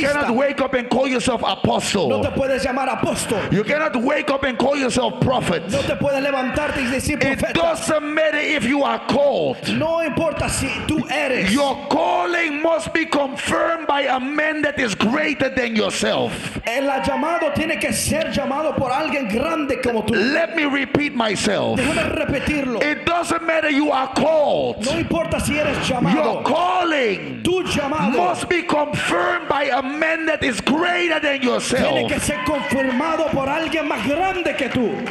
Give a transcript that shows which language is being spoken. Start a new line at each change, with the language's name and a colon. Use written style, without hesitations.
English: You cannot wake up and call yourself apostle.
Spanish: No te puedes llamar apóstol.
English: You cannot wake up and call yourself prophet.
Spanish: No te puedes levantarte y decir profeta.
English: It doesn't matter if you are called.
Spanish: No importa si tú eres.
English: Your calling must be confirmed by a man that is greater than yourself.
Spanish: El llamado tiene que ser llamado por alguien grande como tú.
English: Let me repeat myself.
Spanish: Déjame repetirlo.
English: It doesn't matter you are called.
Spanish: No importa si eres llamado.
English: Your calling,
Spanish: tu llamado,
English: must be confirmed by a man that is greater than yourself.
Spanish: Tiene que ser confirmado por alguien más grande que tú.